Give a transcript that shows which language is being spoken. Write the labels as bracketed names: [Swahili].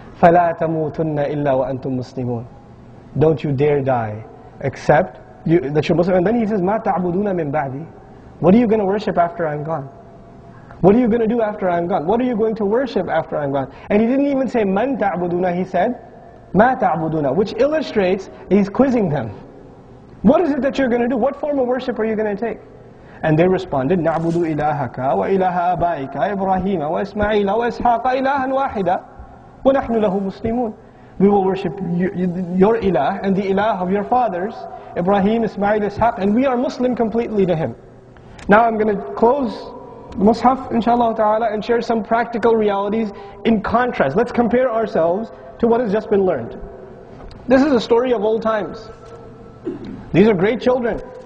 [Arabic] Fala tamutunna illa wa antum muslimun. [English] Don't you dare die except that you're Muslim. And then he says, [Arabic] مَا تَعْبُدُونَ مِنْ بَعْدِي. [English] What are you going to worship after I'm gone? What are you going to do after I'm gone? What are you going to worship after I'm gone? And he didn't even say, [Arabic] مَنْ تَعْبُدُونَ. [English] He said, [Arabic] مَا تَعْبُدُونَ. [English] Which illustrates, he's quizzing them. What is it that you're going to do? What form of worship are you going to take? And they responded, [Arabic] نَعْبُدُ إِلَهَكَ وَإِلَهَ أَبَائِكَ إِبْرَاهِيمَ وَإِسْمَعِيلَ وَإِسْحَاقَ إِلَهًا وَاحِدًا وَنَحْنُ لَهُ مُسْلِمُونَ. [English] we will worship your ilah and the ilah of your fathers, Ibrahim, Ismail, Ishaq, and we are Muslim completely to him. Now I'm going to close Mus'haf, inshallah ta'ala, and share some practical realities in contrast. Let's compare ourselves to what has just been learned. This is a story of old times. These are great children.